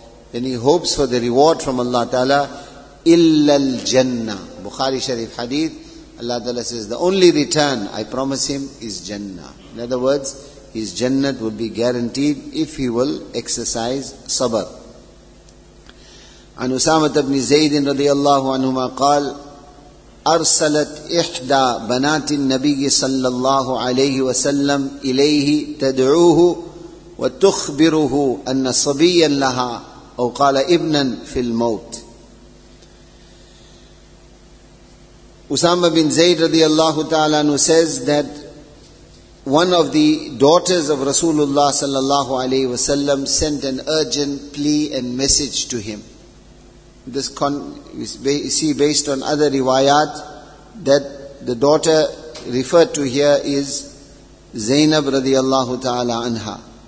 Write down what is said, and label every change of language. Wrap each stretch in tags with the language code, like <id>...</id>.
<en>Then he hopes for the reward from Allah Ta'ala.</en> <ar>إِلَّا الْجَنَّةِ.</ar> <en>Bukhari Sharif Hadith, Allah Ta'ala says, the only return I promise him is Jannah. In other words, his Jannah will be guaranteed if he will exercise sabr.</en> <ar>عن أسامة بن زيد رضي الله عنهما قال أرسلت إحدى بنات النبي صلى الله عليه وسلم إليه تدعوه وتخبره أن صبيا لها أو قال ابنا في الموت.</ar> <en>Usama bin Zayd radiallahu ta'ala anhu says that one of the daughters of Rasulullah sallallahu alayhi wa sallam sent an urgent plea and message to him. We see based on other riwayat that the daughter referred to here is Zainab radiallahu ta'ala anha.</en>